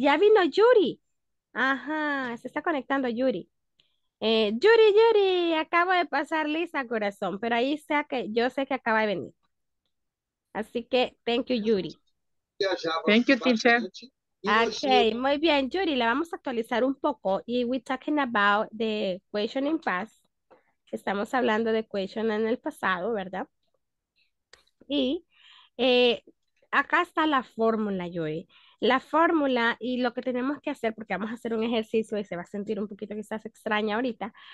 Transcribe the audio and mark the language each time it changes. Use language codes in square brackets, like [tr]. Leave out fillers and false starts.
[es] ¡Ya vino Yuri! ¡Ajá! Se está conectando Yuri. ¡Yuri! Acabo de pasar lista, corazón, pero ahí sea que yo sé que acaba de venir. Así que, [en] thank you, Yuri. Thank you, teacher. [es] Okay, muy bien, Yuri, la vamos a actualizar un poco. [en] Y we're talking about the question in past. [es] Estamos hablando de question en el pasado, ¿verdad? Y acá está la fórmula, Yuri. La fórmula y lo que tenemos que hacer, porque vamos a hacer un ejercicio y se va a sentir un poquito quizás extraña ahorita.